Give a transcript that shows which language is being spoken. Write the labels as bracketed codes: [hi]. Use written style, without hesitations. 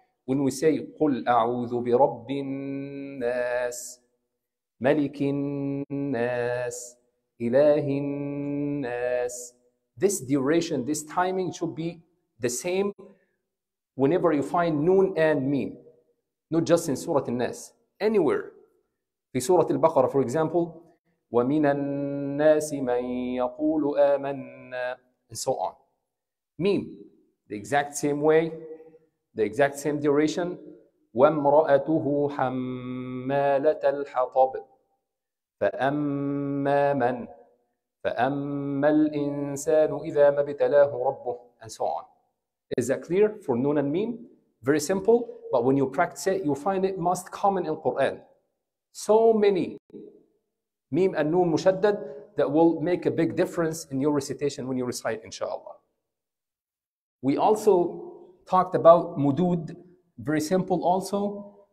[en] When we say [ar] قل أعوذ برب الناس ملك الناس إله الناس, [en] this duration, this timing should be the same whenever you find noon and meem, not just in سورة الناس, anywhere. [ar] في سورة البقرة, [en] for example, [ar] ومن الناس من يقول آمنا, [en] and so on. Meem, the exact same way, the exact same duration. [ar] وَامْرَأَتُهُ حَمَّالَةَ الْحَطَبِ فَأَمَّا مَنْ فَأَمَّا الْإِنسَانُ إِذَا مَبْتَلَاهُ رَبُّهُ, [en] and so on. Is that clear for noon and meem? Very simple, but when you practice it, you find it most common in Quran. So many meem and noon mushaddad that will make a big difference in your recitation when you recite, inshallah. We also talked about mudud, very simple also.